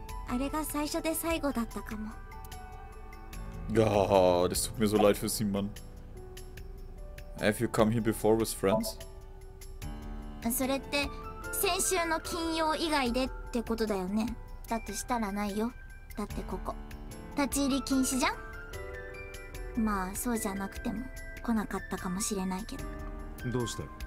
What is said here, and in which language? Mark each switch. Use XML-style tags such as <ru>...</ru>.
<ja>園内のサービスステーションで現像してみたら全部ボケボケで、でもあまりにボケボケだったから私もママも怒るどころか笑っちゃって、もしかしたら3人であんなにゲラゲラ笑ったのあれが最初で最後だったかも。</ja> <de>Ja, das tut mir so leid für Sie, Mann.</de> <en>Have you come here before with friends?</en> <ja>それって 先週の金曜以外でってことだよね。だとしたらないよ。だってここ立ち入り禁止じゃん。まあそうじゃなくても来なかったかもしれないけど。どうして？</ja>